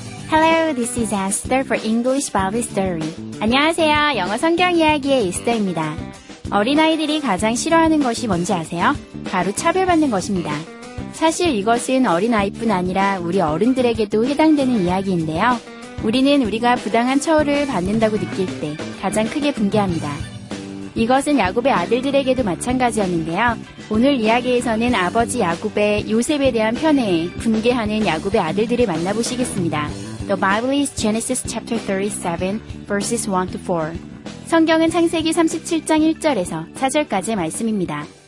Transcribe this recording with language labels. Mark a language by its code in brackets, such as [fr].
[en] Hello, this is Esther for English Bible Story. [ko] 안녕하세요. 영어 성경 이야기의 에스더입니다. 어린아이들이 가장 싫어하는 것이 뭔지 아세요? 바로 차별받는 것입니다. 사실 이것은 어린아이뿐 아니라 우리 어른들에게도 해당되는 이야기인데요. 우리는 우리가 부당한 처우를 받는다고 느낄 때 가장 크게 분개합니다. 이것은 야곱의 아들들에게도 마찬가지였는데요. 오늘 이야기에서는 아버지 야곱의 요셉에 대한 편애에 분개하는 야곱의 아들들을 만나보시겠습니다. [en] The Bible is Genesis chapter 37, verses 1 to 4. [ko] 성경은 창세기 37장 1절에서 4절까지의 말씀입니다.